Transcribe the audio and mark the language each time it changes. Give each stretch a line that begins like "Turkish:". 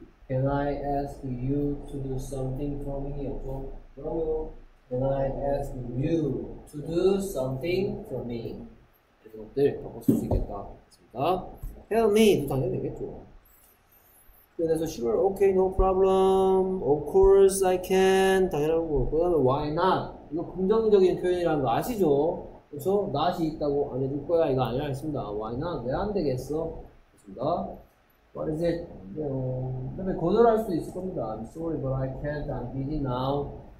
English: Can I ask you to do something for me?
Korean: 그렇죠. 뭐라고요?
English: Can I ask you to do something for me?
Korean: 이런 것들 바꿀 수 있겠다. 맞습니다.
English: Help me!
Korean: 당연히 되겠죠. 그래서
English: sure, okay, no problem, of course I can,
Korean: 당연한 거고, 그 다음에
English: why not?
Korean: 이거 긍정적인 표현이라는 거 아시죠? 그래서 not이 있다고 안 해줄 거야, 이거 아니라 했습니다.
English: why not?
Korean: 왜 안 되겠어? 됐습니다.
English: what is it?
Korean: 그다음에 거절할 수도 있을 겁니다.
English: I'm sorry, but I can't, I'm busy now.